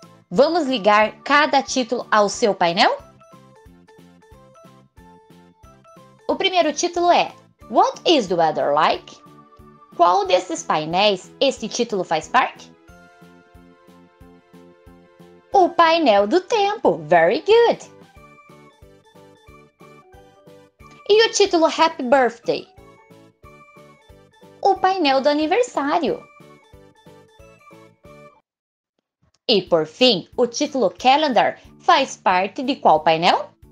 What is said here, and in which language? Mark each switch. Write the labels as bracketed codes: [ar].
[pt] Vamos ligar cada título ao seu painel? O primeiro título é [en] What is the weather like? [pt] Qual desses painéis este título faz parte? O painel do tempo, [en] very good! [pt] E o título Happy Birthday? O painel do aniversário. E por fim, o título Calendar faz parte de qual painel?